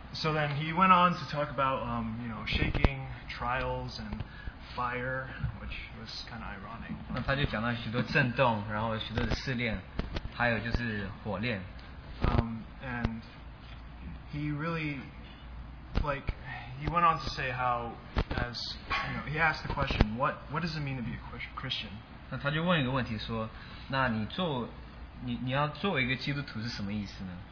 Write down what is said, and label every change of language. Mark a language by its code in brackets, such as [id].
[en] So then he went on to talk about shaking, trials, and fire, which was kind of ironic. [zh] 那他就讲到许多震动，然后许多的试炼，还有就是火炼。 [en] And he really, he went on to say how, as he asked the question, what does it mean to be a Christian? [zh] 那他就问一个问题说，那你要作为一个基督徒是什么意思呢？